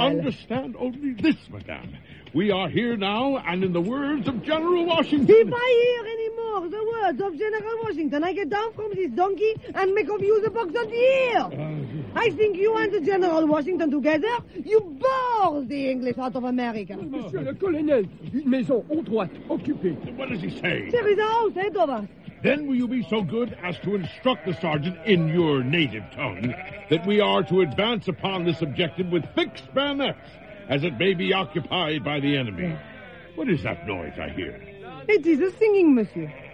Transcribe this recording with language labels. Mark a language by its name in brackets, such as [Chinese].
[English] Understand only this, madame. We are here now, and in the words of General Washington, if I hear any more the words of General Washington, I get down from this donkey and make of you the box on the ear. I think you and the General Washington together, you bore the English out of America. [French] Oh, monsieur le colonel, une maison en droite, occupée. [English] What does he say? There is a house ahead of us. Then will you be so good as to instruct the sergeant in your native tongue that we are to advance upon this objective with fixed bayonets, as it may be occupied by the enemy. What is that noise I hear? It is a singing, monsieur.